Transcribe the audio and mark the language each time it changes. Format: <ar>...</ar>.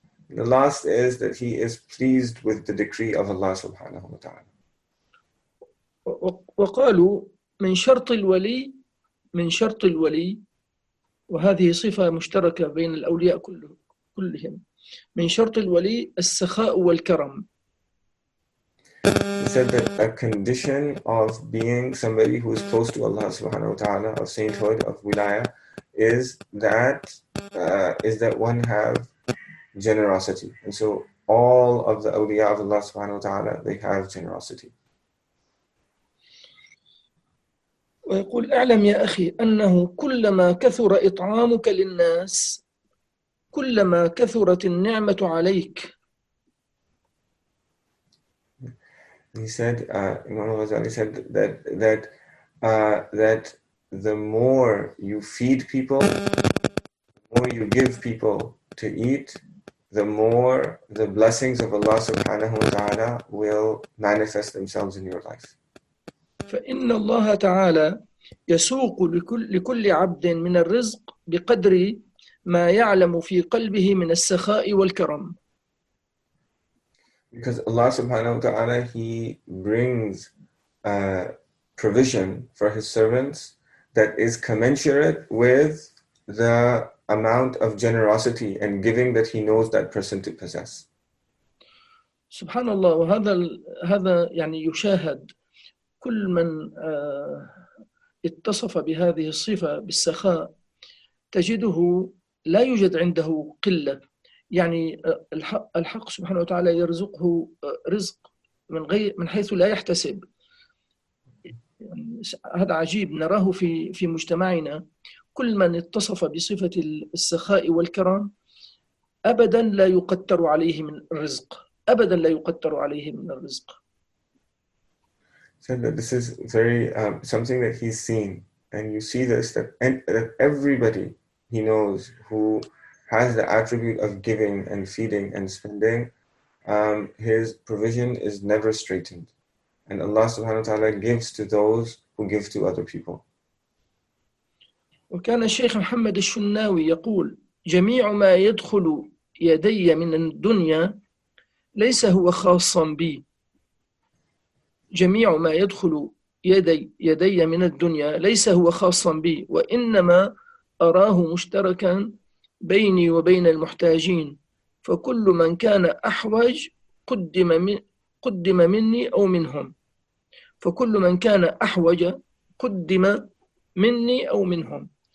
<en>The last is that he is pleased with the decree of Allah subhanahu wa ta'ala.</en> <ar>وقالوا من شرط الولي من شرط الولي وهذه صفة مشتركة بين الأولياء كلهم من شرط الولي السخاء والكرم.</ar> <en>He said that a condition of being somebody who is close to Allah subhanahu wa ta'ala, of sainthood, of wilaya, is that one have generosity. And so all of the awliya of Allah subhanahu wa ta'ala, they have generosity.</en> <ar>ويقول: اعلم يا أخي أنه كلما كثر إطعامك للناس كلما كثرت النعمة عليك.</ar> <en>He said, Imam Ghazali said that the more you feed people, the more you give people to eat, the more the blessings of Allah subhanahu wa ta'ala will manifest themselves in your life.</en> <ar>فإن الله تعالى يسوق لكل عبد من الرزق بقدر ما يعلم في قلبه من السخاء والكرم.</ar> <en>Because Allah subhanahu wa ta'ala, He brings provision for His servants that is commensurate with the amount of generosity and giving that He knows that person to possess.</en> <ar>Subhanallah, هذا يعني يشاهد كل من اتصف بهذه الصفة بالسخاء تجده لا يوجد عنده قلة. يعني الحق سبحانه وتعالى يرزقه رزق من حيث لا يحتسب. هذا عجيب، نراه في مجتمعنا. كل من اتصف بصفة السخاء والكرم أبدا لا يقتر عليه من الرزق، أبدا لا يقتر عليه من الرزق.</ar> <en>Said that this is very something that he's seen, and you see this that everybody he knows who has the attribute of giving and feeding and spending, his provision is never straitened, and Allah subhanahu wa ta'ala gives to those who give to other people.</en> <ar>وكان الشيخ محمد الشناوي يقول: جميع ما يدخل يدي من الدنيا ليس هو خاصا بي. جميع ما يدخل يدي من الدنيا ليس هو خاصا بي، وإنما أراه مشتركا بيني وبين المحتاجين، فكل من كان أحوج قدم مني أو منهم، فكل من كان أحوج قدم مني أو منهم.</ar>